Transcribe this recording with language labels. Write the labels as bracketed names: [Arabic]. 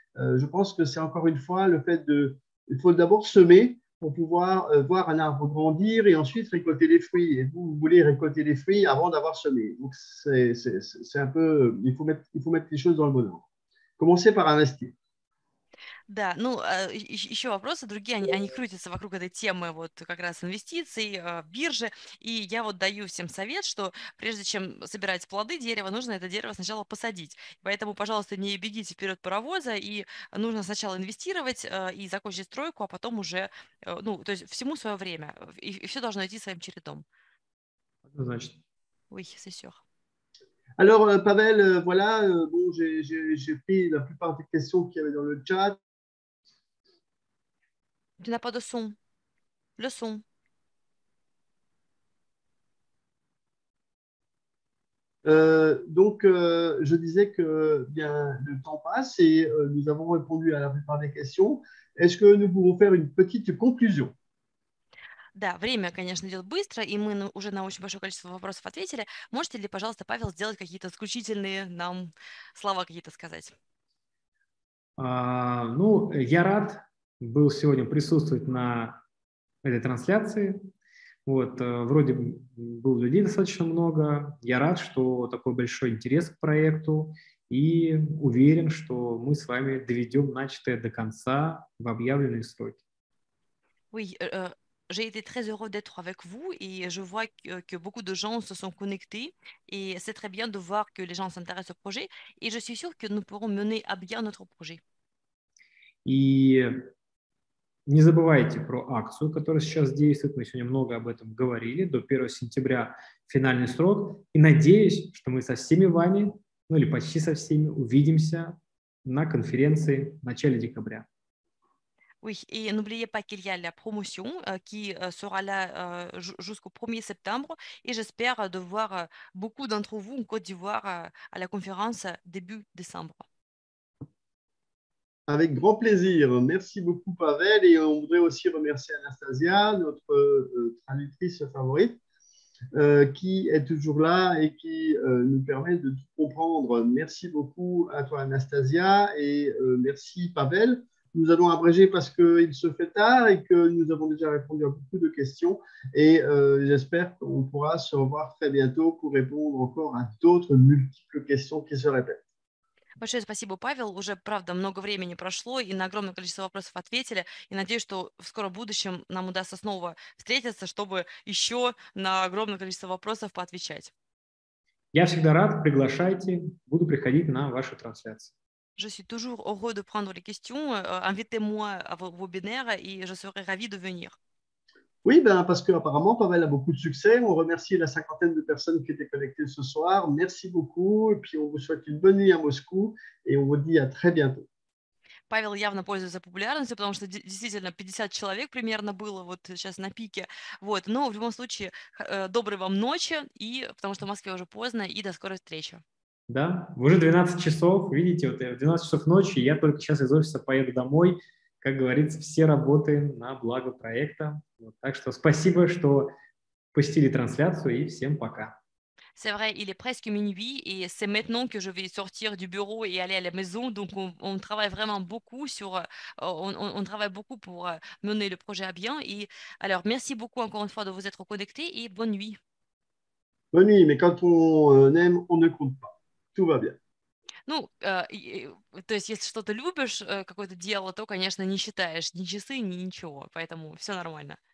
[French] Je pense que c'est encore une fois le fait de... Il faut d'abord semer pour pouvoir voir un arbre grandir et ensuite récolter les fruits. Et vous voulez récolter les fruits avant d'avoir semé. Donc, c'est un peu... Il faut mettre les choses dans le bon ordre. Commencez par investir. [Russian] Да, ну, еще вопросы другие, они крутятся вокруг этой темы вот как раз инвестиций, биржи, и я вот даю всем совет, что прежде чем собирать плоды дерева, нужно это дерево сначала посадить. Поэтому, пожалуйста, не бегите вперед паровоза, и нужно сначала инвестировать и закончить стройку, а потом уже, ну, то есть всему свое время, и все должно идти своим чередом. Значит. [French] Oui, c'est sûr. Alors, Pavel, voilà, bon, j'ai pris la plupart des questions qu'il y avait dans le chat. Tu n'as pas de son. Le son. Je disais que bien, le temps passe et nous avons répondu à la plupart des questions. Est-ce que nous pouvons faire une petite conclusion? [Russian] Да, время, конечно, идет быстро, и мы уже на очень большое количество вопросов ответили. Можете ли, пожалуйста, Павел, сделать какие-то заключительные нам слова какие-то сказать? Я рад был сегодня присутствовать на этой трансляции. Вроде было людей достаточно много. Я рад, что такой большой интерес к проекту, и уверен, что мы с вами доведем начатое до конца в объявленные сроки. [French] Oui, J'ai été très heureux d'être avec vous et je vois que beaucoup de gens se sont connectés et c'est très bien de voir que les gens s'intéressent au projet et je suis sûre que nous pourrons mener à bien notre projet. [Russian] И не забывайте про акцию, которая сейчас действует. Мы сегодня много об этом говорили. До 1 сентября финальный срок. И надеюсь, что мы со всеми вами, ну или почти со всеми, увидимся на конференции в начале декабря. [French] Oui, et n'oubliez pas qu'il y a la promotion qui sera là jusqu'au 1er septembre et j'espère de voir beaucoup d'entre vous en Côte d'Ivoire à la conférence début décembre. Avec grand plaisir. Merci beaucoup, Pavel. Et on voudrait aussi remercier Anastasia, notre traductrice favorite, qui est toujours là et qui nous permet de tout comprendre. Merci beaucoup à toi, Anastasia. Et merci, Pavel. Nous allons abréger parce qu'il se fait tard et que nous avons déjà répondu à beaucoup de questions. Et j'espère qu'on pourra se revoir très bientôt pour répondre encore à d'autres multiples questions qui se répètent. [Russian] Большое спасибо, Павел. Уже, правда, много времени прошло, и на огромное количество вопросов ответили. И надеюсь, что в скором будущем нам удастся снова встретиться, чтобы еще на огромное количество вопросов поотвечать. Я всегда рад, приглашайте, буду приходить на ваши трансляции. [French] Je suis toujours heureux de prendre les questions. Invitez-moi à vos webinaires et je serai ravie de venir. Oui, ben parce qu'apparemment, Pavel a beaucoup de succès. On remercie la cinquantaine de personnes qui étaient connectées ce soir. Merci beaucoup. Et puis on vous souhaite une bonne nuit à Moscou et on vous dit à très bientôt. [Russian] Павел явно пользуется популярностью, потому что действительно 50 человек примерно было вот сейчас на пике. Вот. Но в любом случае, доброй вам ночи, и, потому что в Москве уже поздно, и до скорой встречи. Да, уже 12 часов, видите, вот я в 12 часов ночи, я только сейчас из офиса поеду домой. Как говорится, все работы на благо проекта. Так что спасибо, что посетили трансляцию, и всем пока. [French] C'est vrai, il est presque minuit et c'est maintenant que je vais sortir du bureau et aller à la maison. Donc, on travaille vraiment beaucoup on travaille beaucoup pour mener le projet à bien. Et alors, merci beaucoup encore une fois de vous être connecté et bonne nuit. Bonne nuit, mais quand on aime, on ne compte pas. Tout va bien. [Russian] Ну, то есть, если что-то любишь, какое-то дело, то, конечно, не считаешь ни часы, ни ничего. Поэтому все нормально.